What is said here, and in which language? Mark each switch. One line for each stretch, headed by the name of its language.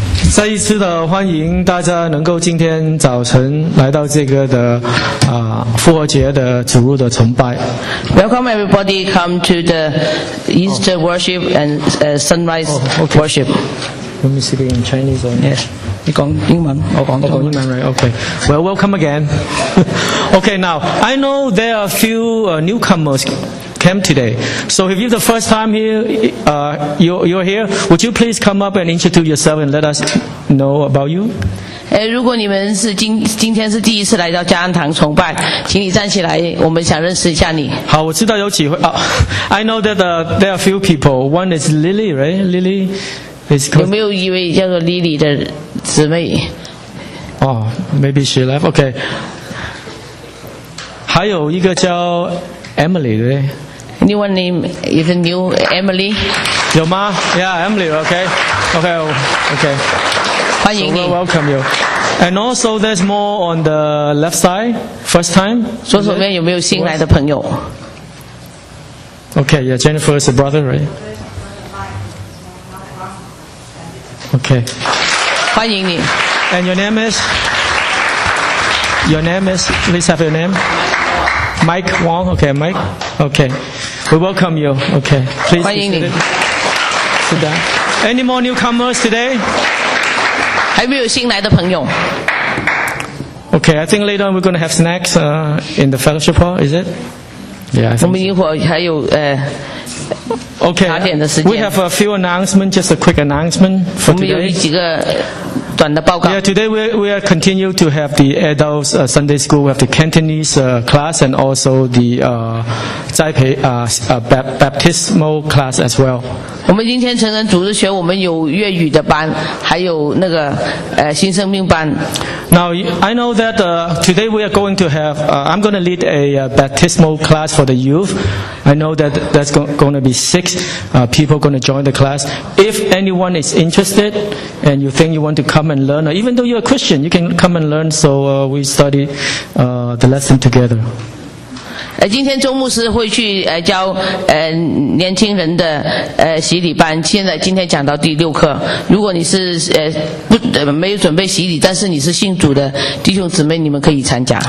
Chinese: 再一次的欢迎大家能够今天早晨来到这个的复活节的主日的崇拜。
English: Welcome everybody, come to the Easter worship and sunrise worship. Let me speak in Chinese. Or...
Chinese: Yes. 你讲英文，我讲中文。我讲英文
English: ，right? Okay. Well, welcome again. Okay, now I know there are a few newcomers. Camp today. So if you're the first time here, you're here, would you please come up and introduce yourself and let us know about you?
Chinese: 如果你们是今天是第一次来到加恩堂崇拜，请你站起来，我们想认识一下你。好，我知道有几位啊。
English: I know that there are a few people. One is Lily, right? Lily is.
Chinese: 有没有一位叫做 Lily 的姊妹？
English: 哦、oh, ，maybe she left. Okay.
Chinese: 还有一个叫 Emily 的。
English: Anyone name even new Emily?
Chinese: 有吗
English: ？Yeah, Emily. Okay, okay, okay.
Chinese: 欢迎你。
English: So welcome you. And also, there's more on the left side. First time.
Chinese: 左手边有没有新来的朋友
English: ？Okay, yeah. Jennifer is a brother, right? Okay.
Chinese: 欢迎你。
English: And your name is. Your name is. Please have your name. Mike Wong. Okay, Mike. Okay. We welcome you. Okay, please sit down. Any more newcomers today?
Chinese: 还没有新来的朋友。
English: Okay, I think later on we're going to have snacks in the fellowship hall. Is it? Yeah. I think
Chinese: 我们一会儿还有
English: Okay.
Chinese: 茶点的时间。
English: We have a few announcements. Just a quick announcement for today.
Chinese: 我们有几个。短的报告
English: yeah, today we are continue to have the adults Sunday school. We have the Cantonese class and also the 栽培baptismal class as well.
Chinese: 我们今天成人主日学，我们有粤语的班，还有那个新生命班。
English: Now I know that today we are going to have I'm going to lead a baptismal class for the youth. I know that that's going to be six people going to join the class. If anyone is interested and you think you want to come and learn, even though you're a Christian, you can come and learn. So we study the lesson together.
Chinese: 今天周牧师会去教年轻人的洗礼班，现在今天讲到第六课。如果你是没有准备洗礼，但是你是信主的弟兄姊妹，你们可以参加。